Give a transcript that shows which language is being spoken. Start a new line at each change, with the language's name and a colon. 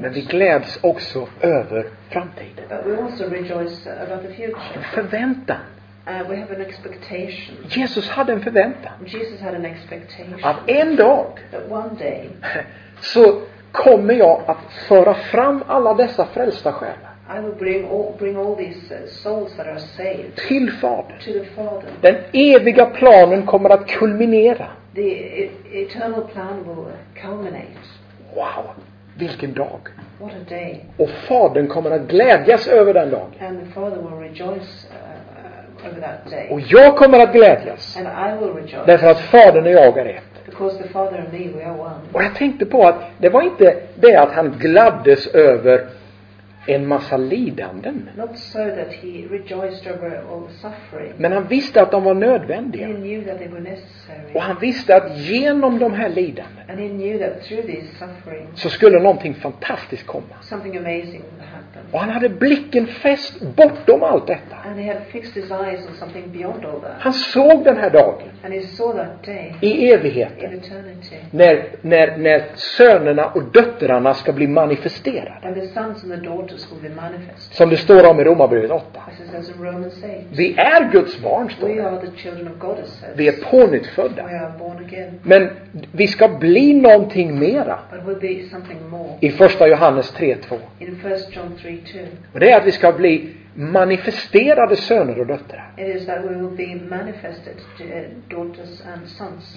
Swedish: Men vi gläds också över framtiden.
English: But we also rejoice about the future.
Swedish: En förväntan.
English: We have an expectation.
Swedish: Jesus hade en förväntan.
English: Jesus had an expectation.
Swedish: Att en dag.
English: That one day.
Swedish: Så kommer jag att föra fram alla dessa frälsta själ.
English: I will bring all these souls that are saved
Swedish: till Fadern.
English: To the Father.
Swedish: Den eviga planen kommer att kulminera.
English: The eternal plan will culminate.
Swedish: Wow, vilken dag.
English: What a day.
Swedish: Och Fadern kommer att glädjas över den dagen.
English: And the Father will rejoice over that day.
Swedish: Och jag kommer att glädjas.
English: And I will rejoice.
Swedish: Därför att Fadern och jag är ett.
English: Because the Father and me, we are one.
Swedish: Och jag tänkte på att det var inte det att han gladdes över en massa lidanden.
English: Not so that he rejoiced over all the suffering.
Swedish: Men han visste att de var nödvändiga.
English: He knew that they were necessary.
Swedish: Och han visste att genom de här lidanden.
English: And he knew that through these suffering.
Swedish: Så skulle någonting fantastiskt komma.
English: Something amazing would happen.
Swedish: Och han hade blicken fäst bortom allt detta.
English: And he had fixed his eyes on something beyond all that.
Swedish: Han såg den här dagen.
English: And he saw that day.
Swedish: I evigheten.
English: In eternity.
Swedish: När sönerna och döttrarna ska bli manifesterade.
English: And the sons and the daughters will be manifested.
Swedish: Som det står om i Romarbrevet 8.
English: As a Roman saint.
Swedish: Vi är Guds barn, står det.
English: We are the children of God, it says.
Swedish: Vi är pånyttfödda.
English: We are born again.
Swedish: Men vi ska bli någonting mera.
English: But we'll be something more.
Swedish: I första Johannes 3:2.
English: In 1 John 3:2.
Swedish: Och det är att vi ska bli manifesterade söner och döttrar.
English: It is that we will be manifested daughters and sons.